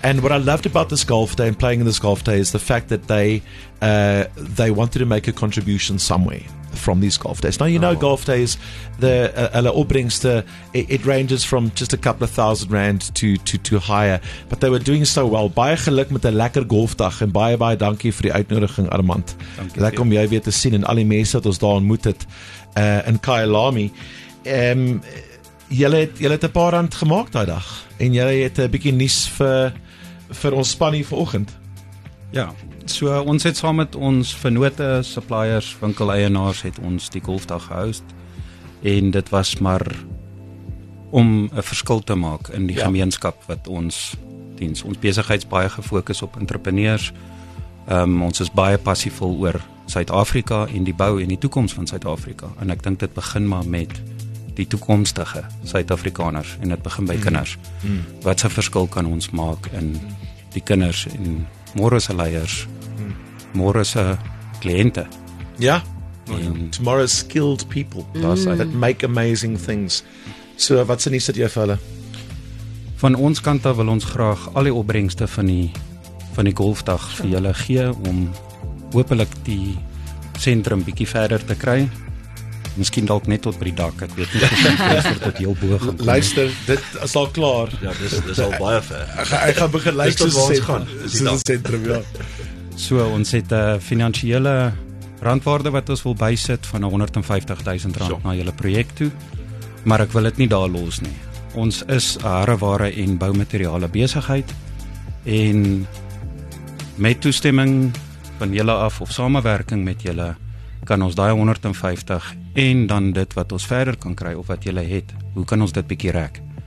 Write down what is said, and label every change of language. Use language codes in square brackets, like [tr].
[en] And what I loved about this golf day and playing in this golf day is the fact that they wanted to make a contribution somewhere. From these golf days. Now, you know, golf days, it ranges from just a couple of thousand rand to higher, but they were doing so well. [af] Baie geluk met 'n lekker golfdag en baie, baie dankie vir die uitnodiging, Armand. Dankie. Lekker om jou weer te sien en al die mense wat ons daar ontmoet het in Kyalami. Jy het 'n paar rand gemaak daai dag en jy het 'n bietjie nuus vir ons spanie vanoggend. Ja. So ons het saam met ons vennote, suppliers, winkeleienaars het ons die golfdag gehost en dit was maar om 'n verskil te maak in die gemeenskap wat ons diens. Ons besigheid is baie gefokus op entrepreneurs. Ons is baie passievol oor Suid-Afrika en die bou en die toekoms van Suid-Afrika en ek dink dit begin maar met die toekomstige Suid-Afrikaners en dit begin by kinders. Mm. Wat 'n verskil kan ons maak in die kinders en Môre se leiers, môre se kliënte. [en] Ja, tomorrow's skilled people that make amazing things. [af] So, wat se nuus het jy vir hulle? Van ons kant af wil ons graag al die opbrengste van die golfdag vir julle gee om hopelik die sentrum bietjie verder te kry. Miskien dalk net tot by die dak, ek weet nie of dit heel boog gaan kom. Luister, dit is al klaar. Ja, dis al baie ver. Ek gaan begin luister waar ons gaan. Soos die sentrum, ja. So, ons het financiële randwaarde wat ons wil bysit van 150,000 rand na julle project toe. Maar ek wil dit nie daar los nie. Ons is hareware en boumateriale besigheid en met toestemming van julle af of samenwerking met julle kan ons daai 150 en dan dit wat ons verder kan kry of wat julle het, hoe kan ons dit bietjie rek?